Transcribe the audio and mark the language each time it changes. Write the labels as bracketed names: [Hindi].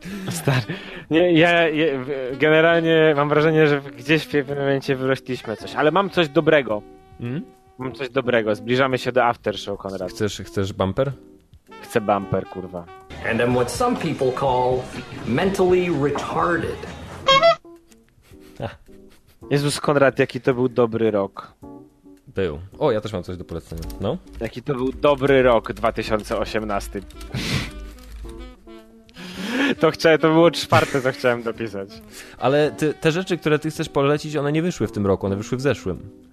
[Polish] Stary. Nie, ja generalnie mam wrażenie, że gdzieś w pewnym momencie wyrośliśmy coś, ale mam coś dobrego. Mam coś dobrego, zbliżamy się do Aftershow, Konrad. Chcesz bumper? Chcę bumper, kurwa. [English] And I'm what some people call mentally retarded. [Polish] Jezus, Konrad, jaki to był dobry rok. Był. O, ja też mam coś do polecenia, no. Jaki to był dobry rok 2018. To było czwarte, co chciałem dopisać. Ale te rzeczy, które ty chcesz polecić, one nie wyszły w tym roku, one wyszły w zeszłym.